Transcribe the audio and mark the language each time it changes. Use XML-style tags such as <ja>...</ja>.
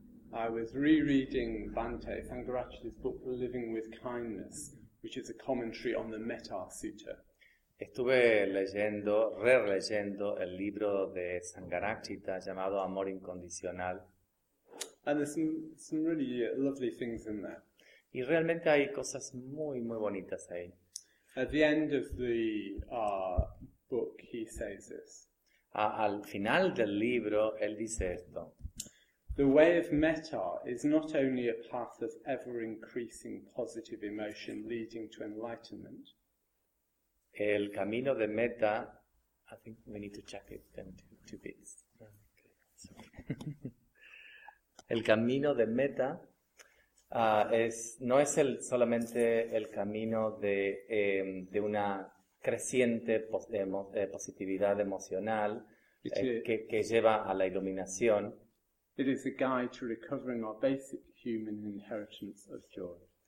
<en>I was rereading Bhante Sangharakshita's book, Living with Kindness, which is a commentary on the Metta Sutta.</en> <es>Estuve leyendo, releyendo el libro de Sangharakshita llamado Amor Incondicional.</es> <en>And there's some really lovely things in there.</en> <es>Y realmente hay cosas muy, muy bonitas ahí.</es> <en>At the end of the book, he says this.</en> <es>Al final del libro, él dice esto.</es> <en>The way of metta is not only a path of ever-increasing positive emotion leading to enlightenment.</en> <es>El camino de metta,</es> <en>I think we need to check it in two bits. Okay.</en> <es>El camino de metta no es solamente el camino de una creciente positividad emocional que lleva a la iluminación.</es> <en>It is a guide to recovering our basic human inheritance of joy.</en>